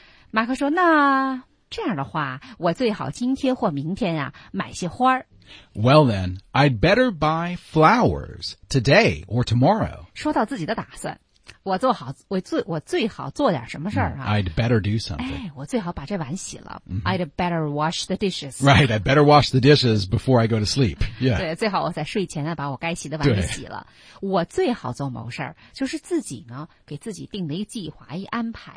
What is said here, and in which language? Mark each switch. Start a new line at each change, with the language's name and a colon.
Chinese: 马克说那这样的话我最好今天或明天啊买些花。
English: Well then, I'd better buy flowers today or tomorrow.
Chinese: 说到自己的打算。我最好做点什么事儿啊
English: ？I'd better do something.
Chinese: 哎，我最好把这碗洗了。 Mm-hmm.
English: I'd better wash the dishes. Right, I'd better wash the dishes before I go to sleep. Yeah.
Chinese: 对，最好我在睡前呢把我该洗的碗给洗了。我最好做某事儿，就是自己呢给自己定了一计划一安排、